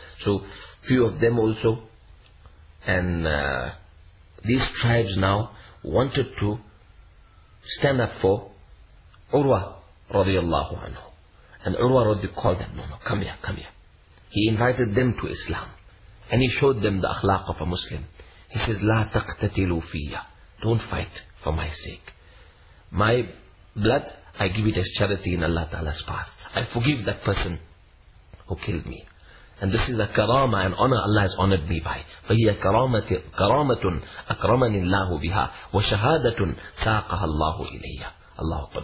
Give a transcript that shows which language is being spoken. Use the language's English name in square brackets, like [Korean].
[English] So few of them also. And these tribes now wanted to stand up for Urwa radiallahu anhu. And Urwa called them, no, come here, come here. He invited them to Islam. And he showed them the akhlaq of a Muslim. [Arabic] He says, لا تقتتلوا فيا. [English] Don't fight for my sake. My blood, I give it as charity in Allah Ta'ala's path. I forgive that person who killed me. And this is a karama, an honor Allah has honored me by. [Arabic] فَهِيَ كَرَامَةٌ أَكْرَمَنِ اللَّهُ بِهَا وَشَهَادَةٌ سَاقَهَ اللَّهُ إِلَيَّ. Allah Akbar.